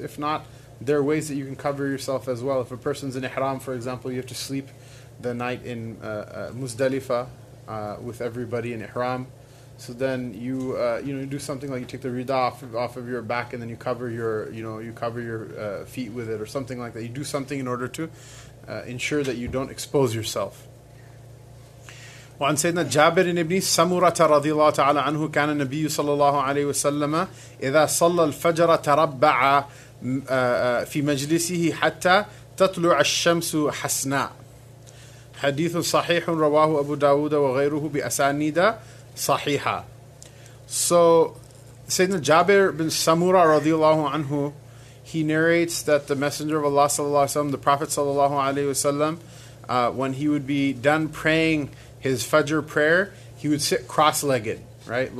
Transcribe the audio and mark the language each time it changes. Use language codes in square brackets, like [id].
[en] If not, there are ways that you can cover yourself as well. If a person's in ihram, for example, you have to sleep the night in Muzdalifah with everybody in ihram. So then you do something like you take the rida off of your back and then you cover your feet with it or something like that. You do something in order to ensure that you don't expose yourself. [ar] وعن سيدنا جابر بن سمرة رضي الله تعالى عنه كان النبي صلى الله عليه وسلم إذا صلى الفجر تربع في مجلسه حتى تطلع الشمس حسناء. حديث صحيح رواه أبو داود وغيره بأسانيد صحيحة. [en] So سيدنا جابر بن سمرة [ar] رضي الله عنه, [en] he narrates that the Messenger of Allah صلى الله عليه وسلم, the Prophet صلى الله عليه وسلم, when he would be done praying his Fajr prayer, he would sit cross-legged, right?